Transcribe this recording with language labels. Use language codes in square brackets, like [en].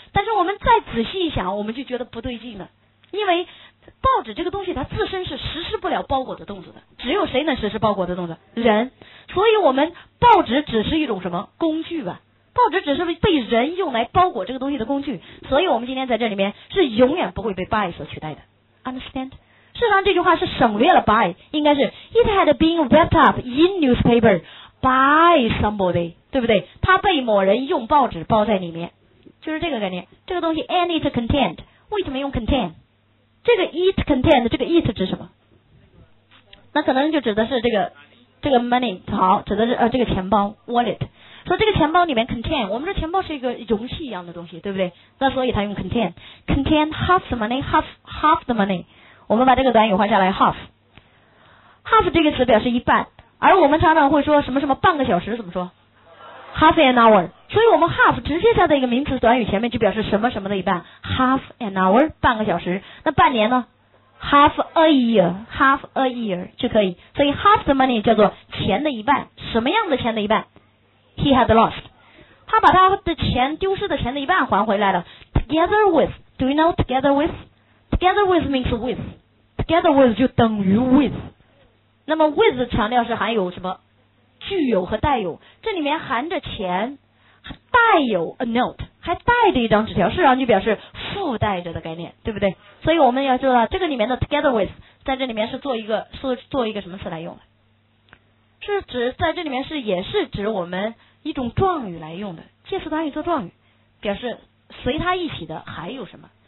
[zh] 但是我们再仔细一想，我们就觉得不对劲了，因为报纸这个东西它自身是实施不了包裹的动作的，只有谁能实施包裹的动作？人。所以我们报纸只是一种什么工具吧，报纸只是被人用来包裹这个东西的工具，所以我们今天在这里面是永远不会被 by 所取代的。 [en] Understand? [zh] 事实上这句话是省略了 [en] by， [zh] 应该是 [en] It had been wrapped up in newspaper by somebody， [zh] 对不对？它被某人用报纸包在里面，就是这个概念。这个东西 [en] and it contained， [zh] 为什么用 contain？ 这个 it contained， 这个 it 指什么？那可能就指的是这个 money， 好，指的是这个钱包 wallet。说这个钱包里面 contain， 我们说钱包是一个容器一样的东西，对不对？那所以它用 contain， [en] contain half the money， half the money。 [zh] 我们把这个短语换下来 half， half 这个词表示一半，而我们常常会说什么什么半个小时怎么说？ [en] half an hour。 [zh] 所以我们 half 直接加在一个名词短语前面，就表示什么什么的一半， [en] half an hour [zh] 半个小时。那半年呢？ [en] half a year， half a year [zh] 就可以。所以 half the money 叫做钱的一半。什么样的钱的一半？ [en] he had lost， [zh] 他把他的钱丢失的钱的一半还回来了。 [en] together with， do you know together with？ together with means with， together with [zh] 就等于 [en] with。 [zh] 那么 with 强调是含有什么？具有和带有，这里面含着钱，带有 a note， 还带着一张纸条，事实上就表示附带着的概念，对不对？所以我们要知道这个里面的 together with 在这里面是做一个什么词来用的，是指在这里面是也是指我们一种状语来用的，介词短语做状语，表示随它一起的还有什么。